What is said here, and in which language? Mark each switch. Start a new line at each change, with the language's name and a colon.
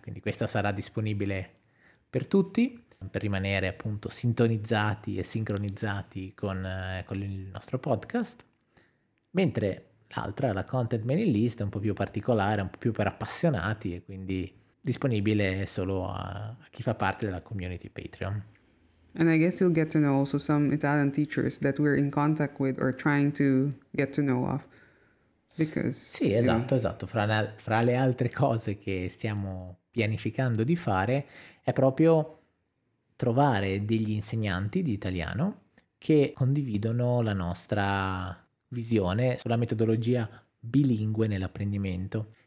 Italian: Quindi questa sarà disponibile per tutti, per rimanere appunto sintonizzati e sincronizzati con il nostro podcast, mentre l'altra, la content mailing list, è un po' più particolare, un po' più per appassionati e quindi disponibile solo a chi fa parte della community Patreon.
English: And I guess you'll get to know also some Italian teachers that we're in contact with or trying to get to know of. Because,
Italian: sì, esatto, yeah. Esatto. Fra le altre cose che stiamo pianificando di fare è proprio trovare degli insegnanti di italiano che condividono la nostra visione sulla metodologia bilingue nell'apprendimento